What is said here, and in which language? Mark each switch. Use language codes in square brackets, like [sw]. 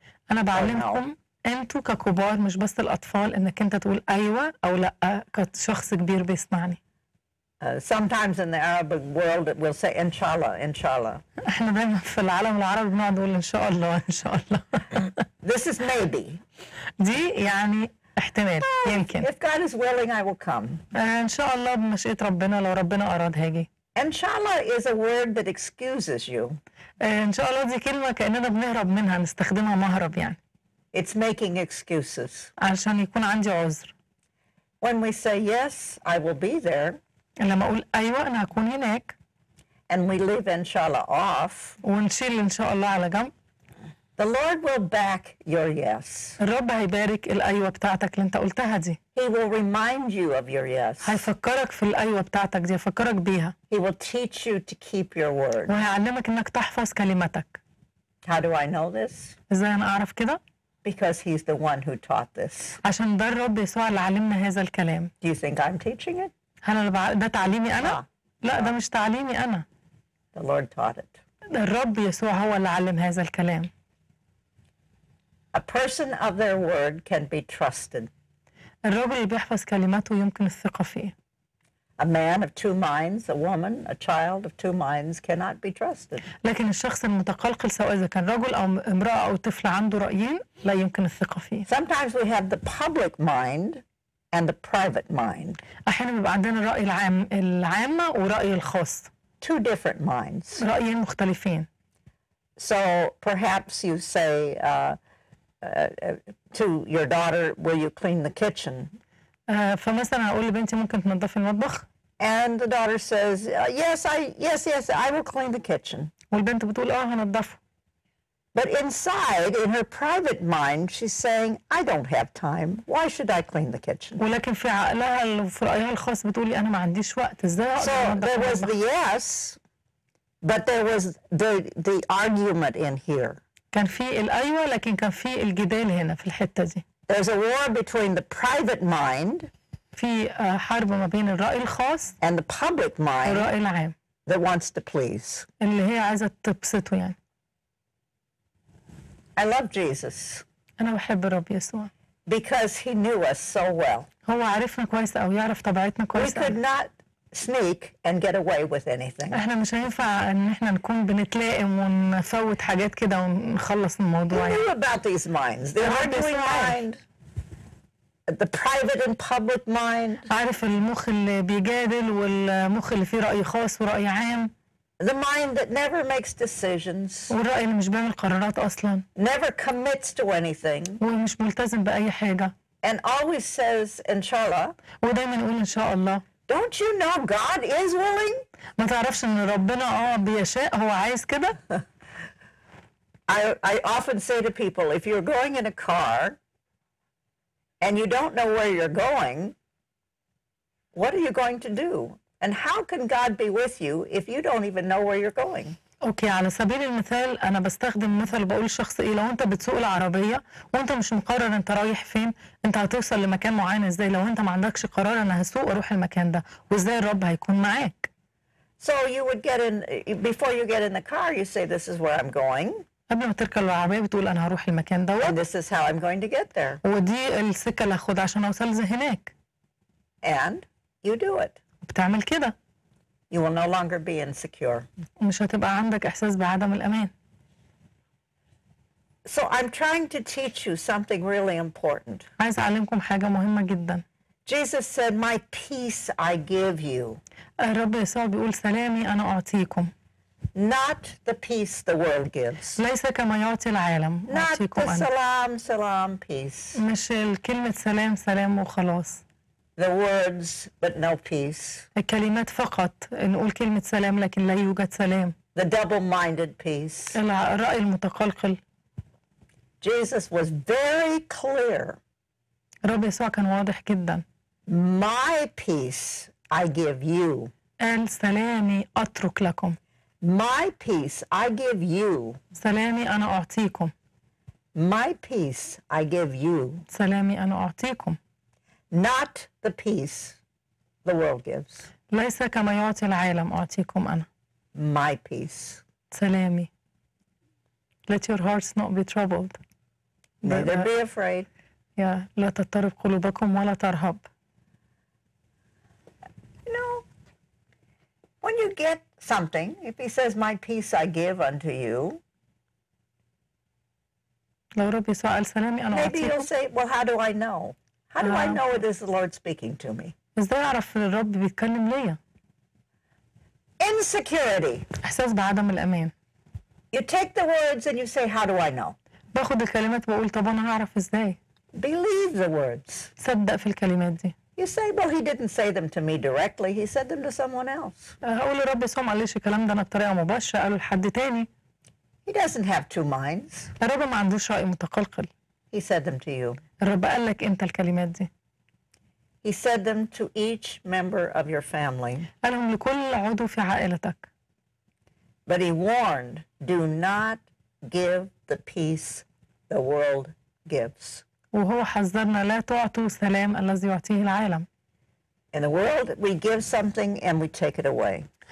[ar] أنا بعلمكم أنتوا ككبار مش بس الأطفال إنك أنت تقول أيوة أو لا كشخص كبير بيسمعني. [en] Sometimes in the Arabic world it will say inshallah, inshallah. [ar] احنا دايما في العالم العربي بنقعد نقول ان شاء الله ان شاء الله. [en] This is maybe. [ar] دي يعني احتمال يمكن. [en] If God is willing I will come. [ar] ان شاء الله بمشيئة ربنا لو ربنا اراد هاجي. [en] Inshallah is a word that excuses you. [ar] ان شاء الله دي كلمة كأننا بنهرب منها, نستخدمها مهرب يعني. [en] It's making excuses. [ar] علشان يكون عندي عذر. [en] When we say yes I will be there. [ar] لما أقول أيوة أنا هكون هناك. [en] And we leave inshallah off. [ar] ونشيل إن شاء الله على جنب. [en] The Lord will back your yes. [ar] الرب هيبارك الأيوة بتاعتك اللي أنت قلتها دي. [en] He will remind you of your yes. [ar] هيفكرك في الأيوة بتاعتك دي, هيفكرك بيها. [en] He will teach you to keep your word. [ar] وهيعلمك إنك تحفظ كلمتك. [en] How do I know this? [ar] إزاي أنا أعرف كده؟ [en] Because he's the one who taught this. [ar] عشان ده الرب يسوع اللي علمنا هذا الكلام. [en] Do you think I'm teaching it? [ar] هل ده تعليمي أنا؟ لا ده مش تعليمي أنا. [en] The Lord taught it. [ar] الرب يسوع هو اللي علم هذا الكلام. [en] A person of their word can be trusted. [ar] الرب اللي بيحفظ كلماته يمكن الثقة فيه. [en] A man of two minds, a woman, a child of two minds cannot be trusted. [ar] لكن الشخص المتقلقل سواء إذا كان رجل أو امرأة أو طفل عنده رأيين لا يمكن الثقة فيه. [en] Sometimes we have the public mind and the private mind. [ar] أحيانا بيبقى عندنا الرأي العام العامة ورأي الخاص. [en] Two different minds. [ar] رأيين مختلفين. [en] So perhaps you say to your daughter, "Will you clean the kitchen?" [ar] فمثلا اقول لبنتي ممكن تنظفي المطبخ [en] and the daughter says yes I will clean the kitchen [ar] والبنت بتقول اه هنضفه [en] but inside in her private mind she's saying I don't have time why should I clean the kitchen [ar] ولكن في عقلها في رايها الخاص بتقولي انا ما عنديش وقت ازاي [en] so there was the yes but there was the argument in here [ar] كان في الايوه لكن كان في الجدال هنا في الحته دي [en] There's a war between the private mind [ar] في حرب ما بين الرأي الخاص [en] and the public mind [ar] الرأي العام [en] that wants to please [ar] اللي هي عايزة تبسطه يعني [en] I love Jesus [ar] أنا بحب الرب يسوع [en] because he knew us so well [ar] هو عرفنا كويس أو يعرف طبيعتنا كويس [en] We could not sneak and get away with anything [ar] احنا مش هينفع ان احنا نكون بنتلائم ونفوت حاجات كده ونخلص الموضوع يعني [en] What about these minds? The arguing mind, the private and public mind. [ar] عارف المخ اللي بيجادل والمخ اللي فيه رأي خاص ورأي عام [en] The mind that never makes decisions. [ar] والرأي اللي مش بيعمل قرارات اصلا [en] Never commits to anything. [ar] ومش ملتزم بأي حاجة [en] And always says inshallah. [ar] ودايما يقول ان شاء الله [en] Don't you know God is willing? [ar] ما تعرفش ان ربنا بيشاء هو عايز كده؟ [en] I often say to people if you're going in a car and you don't know where you're going what are you going to do? And how can God be with you if you don't even know where you're going? [ar] اوكي على سبيل المثال انا بستخدم مثل بقول لشخص ايه لو انت بتسوق العربيه وانت مش مقرر انت رايح فين انت هتوصل لمكان معين ازاي لو انت ما عندكش قرار انا هسوق اروح المكان ده وازاي الرب هيكون معاك [en] So you would get in before you get in the car you say this is where I'm going [ar] قبل ما تركب العربيه بتقول انا هروح المكان ده [en] And this is how I'm going to get there [ar] ودي السكه اللي هاخدها عشان اوصل لهناك [en] And you do it [ar] بتعمل كده [en] You will no longer be insecure. [ar] مش هتبقى عندك إحساس بعدم الأمان. [en] So I'm trying to teach you something really important. [ar] عايز أعلمكم حاجة مهمة جدا. [en] Jesus said, "My peace I give you." [ar] الرب يسوع بيقول سلامي أنا أعطيكم. [en] Not the peace the world gives. [ar] ليس كما يعطي العالم. [en] Not the [ar] سلام سلام [en] peace. [ar] مش الكلمة سلام سلام وخلاص. [en] The words, but no peace. [ar] الكلمات فقط. نقول كلمة سلام لكن لا يوجد سلام. [en] The double-minded peace. [ar] الرأي المتقلقل. [en] Jesus was very clear. [ar] الرب يسوع كان واضح جدا. [en] My peace I give you. [ar] قال سلامي أترك لكم. [en] My peace I give you. [ar] سلامي أنا أعطيكم. [en] My peace I give you. [ar] سلامي أنا أعطيكم. [en] Not the peace the world gives. [ar] ليس كما يعطي العالم أعطيكم أنا. [en] My peace. [ar] سلامي. [en] Let your hearts not be troubled. Neither be afraid. Yeah. [ar] لا تضطرب قلوبكم ولا ترهب. [en] You know, when you get something, if he says, "My peace I give unto you." [ar] لو رب يسوع قال سلامي أنا أعطيكم. [en] Maybe you'll say, "Well, how do I know?" How do I know this is the Lord speaking to me? [ar] إزاي أعرف إن الرب بيتكلم ليا؟ [en] Insecurity. [ar] إحساس بعدم الأمان. [en] You take the words and you say, how do I know? [ar] باخد الكلمات وأقول طب أنا هعرف إزاي؟ [en] Believe the words. [ar] صدق في الكلمات دي. [en] You say, well, he didn't say them to me directly. He said them to someone else. [ar] هقول للرب يسوع معلش الكلام ده أنا بطريقة مباشرة قاله لحد تاني. [en] He doesn't have two minds. [ar] الرب ما عندوش رأي متقلقل. [en] He said them to you. [ar] الرب قال لك انت الكلمات دي. [en] He said them to each member of your family. [ar] قالهم لكل عضو في عائلتك. [en] But he warned, do not give the peace the world gives. [ar] وهو حذرنا لا تعطوا السلام الذي يعطيه العالم. [en] In the world, we give something and we take it away.